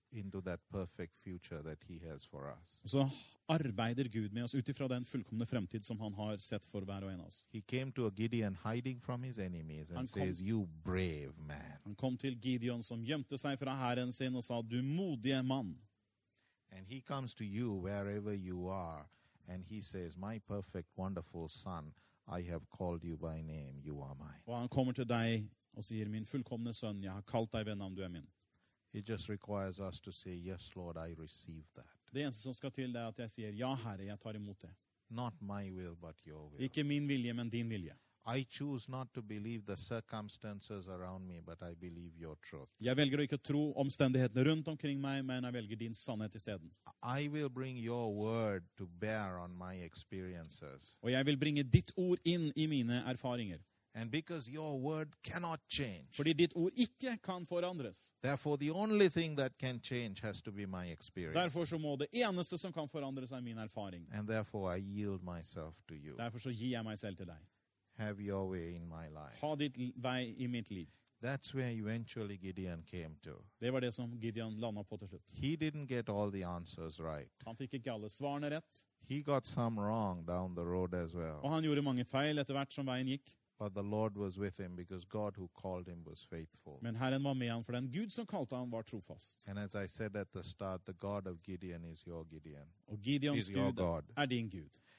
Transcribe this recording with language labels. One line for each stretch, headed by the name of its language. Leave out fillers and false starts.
English: into that perfect future that he has for us.
Swedish: Så arbeider Gud med oss utifrån den fullkomna framtid som han har sett för var och en av oss.
English: He came to a Gideon hiding from his enemies and says, "You brave man."
Swedish: Han kom till Gideon som gömde sig från Herren sin och sa, "Du modige man."
English: And he comes to you wherever you are and he says, "My perfect wonderful son, I have called you by name, you are mine."
Swedish: Och han kommer till dig och säger, "Min fullkomna son, jag har kallat dig vid namn, du är min."
English: It just requires us to say, "Yes, Lord, I receive that."
Swedish: Det enda som ska till är att jag säger, "Ja, Herre, jag tar emot det."
English: Not my will, but your will.
Swedish: Icke min vilja, men din vilja.
English: I choose not to believe the circumstances around me, but I believe your truth.
Swedish: Jag väljer inte att tro omständigheterna runt omkring mig, men jag väljer din sanning istället.
English: I will bring your word to bear on my experiences.
Swedish: Och jag vill bringa ditt ord in i mina erfaringar.
English: And because your word cannot change.
Norwegian: Fordi ditt ord ikke kan forandres.
English: Therefore the only thing that can change has to be my experience.
Norwegian: Derfor så må det eneste som kan forandres min erfaring.
English: And therefore I yield myself to you.
Norwegian: Derfor så gir jeg meg selv til deg.
English: Have your way in my life.
Norwegian: Ha ditt vei I mitt liv.
English: That's where eventually Gideon came to.
Norwegian: Det var det som Gideon landet på til slutt.
English: He didn't get all the answers right.
Norwegian: Han fikk ikke alle svarene rett.
English: He got some wrong down the road as well.
Norwegian: Og han gjorde mange feil etter hvert som veien gikk.
English: But the Lord was with him because God who called him was faithful.
Swedish: Men Herren var med han för den Gud som kallade han var trofast.
English: And as I said at the start, the God of Gideon is your Gideon.
Swedish: Och Gideons Gud är din Gud.